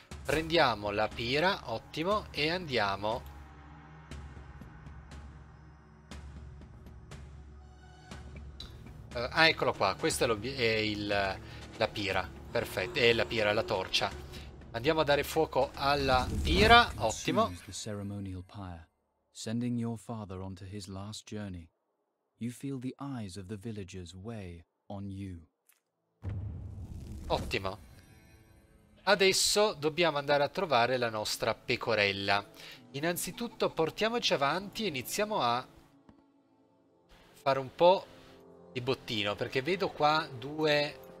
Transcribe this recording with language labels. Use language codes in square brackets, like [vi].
[it] Prendiamo la pira, ottimo, e andiamo... ah, eccolo qua, questa è la pira, perfetto, è la pira, la torcia. Andiamo a dare fuoco alla pira, ottimo. [en] The ceremonial pyre, sending your father onto his last journey. You feel the eyes of the villagers weigh on you. [it] Ottimo. Adesso dobbiamo andare a trovare la nostra pecorella. Innanzitutto portiamoci avanti e iniziamo a fare un po' di bottino, perché vedo qua due...